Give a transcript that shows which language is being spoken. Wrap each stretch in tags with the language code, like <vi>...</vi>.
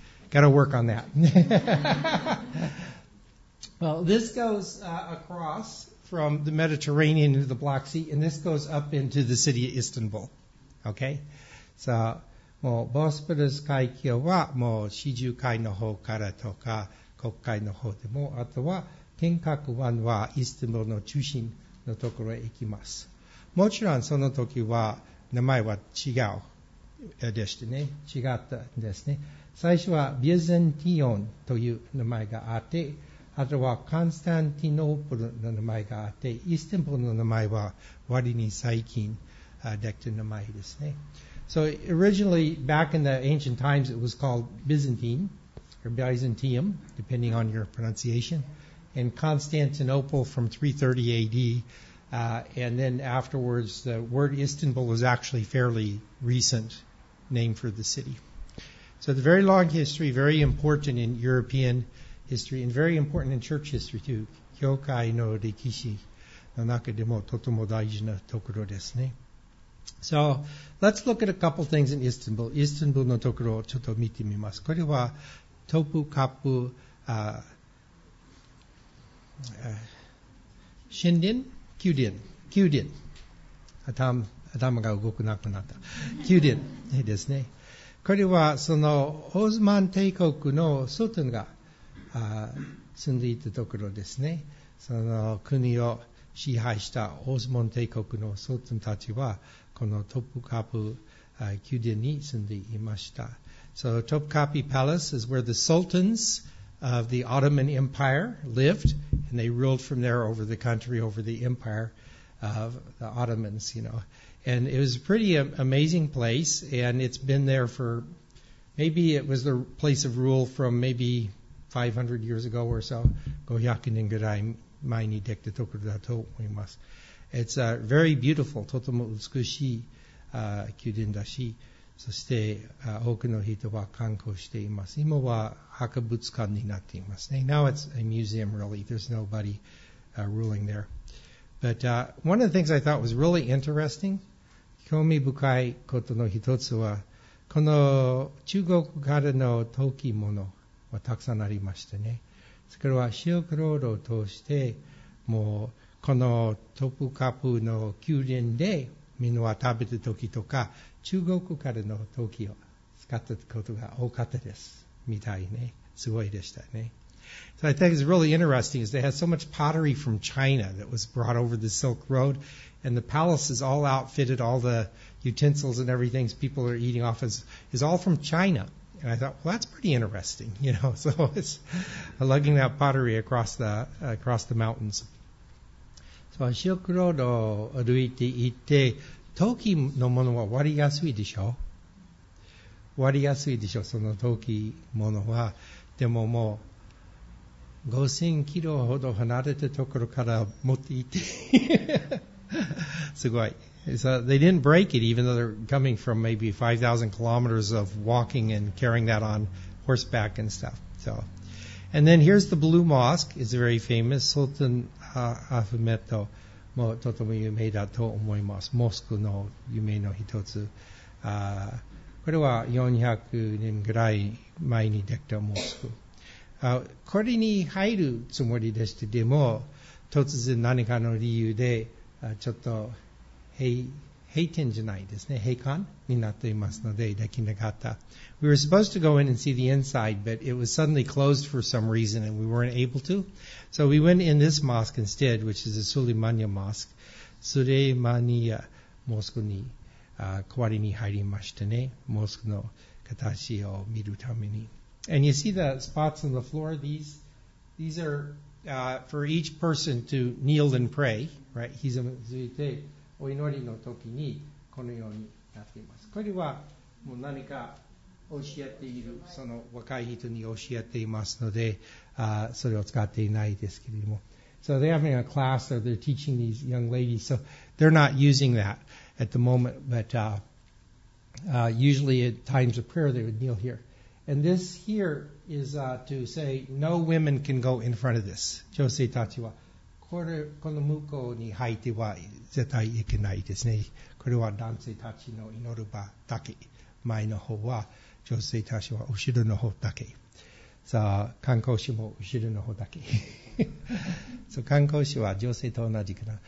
<en>Gotta work on that. Well, this goes across from the Mediterranean into the Black Sea, and this goes up into the city of Istanbul. Okay?</en> <ja>So, もうボスポラス海峡はもう四重海の方からとか黒海の方でも、あとは天格湾はイスタンブールの中心のところへ行きます。もちろんその時は名前は違うでしたね、違ったんですね。最初はビュゼンティオンという名前があって、あとはコンスタンティノープルの名前があって、イスタンブールの名前は割に最近できた名前ですね。</ja> <en>So originally, back in the ancient times, it was called Byzantine, or Byzantium, depending on your pronunciation, and Constantinople from 330 AD, and then afterwards, the word Istanbul is actually a fairly recent name for the city. So the very long history, very important in European history, and very important in church history too.</en> <ja>教会の歴史の中でもとても大事なところですね。</ja> <en>So, let's look at a couple things in Istanbul.</en> <ja>Istanbul のところをちょっと見てみます。これはトプカプ神殿、宮殿、宮殿。頭が動くなくなった。宮殿ですね。これはそのオスマン帝国のスルタンが住んでいたところですね。その国を支配したオスマン帝国のスルタンたちはこのトプカプ宮殿に住んでいました。</ja> <en>So Topkapi Palace is where the sultans of the Ottoman Empire lived, and they ruled from there over the country, over the empire of the Ottomans, you know. And it was a pretty amazing place, and it's been there for, maybe it was the place of rule from maybe 500 years ago or so.</en> <ja>500年ぐらい前にできたところだと思います。</ja> <en>It's a very beautiful,</en> <ja>とても美しい宮殿だし、そして多くの人は観光しています。今は博物館になっていますね。</ja> <en>Now it's a museum, really. There's nobody ruling there. But one of the things I thought was really interesting,</en> <ja>興味深いことの一つは、この中国からの陶器物はたくさんありましたね。それはシルクロードを通して、もうこのトプカプの宮殿でみんなは食べた時とか中国からの陶器を使ったことが多かったですみたいね。すごいでしたね。</ja> <en>So I think it's really interesting is they had so much pottery from China that was brought over the Silk Road, and the palace is all outfitted, all the utensils and everything people are eating off is all from China. And I thought, well, that's pretty interesting, you know. So it's lugging that pottery across the mountains.</en> <ja>シルクロードを歩いていて、陶器のものは割りやすいでしょ、割りやすいでしょ、その陶器ものは。でももう5000キロほど離れたところから持っていてすごい。</ja> <en>So they didn't break it even though they're coming from maybe 5,000 kilometers of walking and carrying that on horseback and stuff. So, and then here's the Blue Mosque. It's very famous.</en> <ja>Sultanアフメットもとても有名だと思います。モスクの有名の一つ。これは400年ぐらい前にできたモスク。これに入るつもりでした。でも突然何かの理由でちょっと閉店じゃないですね、閉館になっていますのでできなかった。</ja> <en>We were supposed to go in and see the inside, but it was suddenly closed for some reason and we weren't able to. So we went in this mosque instead, which is the Suleimania Mosque.</en> <ja>Suleimania Mosque に代わりに入りましたね、モスクの形を見るために。</ja> <en>And you see the spots on the floor, these are for each person to kneel and pray, right? He's a Zuite.</en> <ja>お祈りの時にこのようになっています。これはもう何か教えているその若い人に教えていますので、それを使っていないですけれども。</ja> <en>So they're having a class or they're teaching these young ladies. So they're not using that at the moment. But usually at times of prayer they would kneel here. And this here is to say no women can go in front of this.</en> <ja>女性たちは。この向こうに入っては絶対いけないですね。これは男性たちの祈る場だけ。前の方は女性たちは後ろの方だけ。さあ、観光士も後ろの方だけ。 So, 観光士は女性と同じかな。</ja>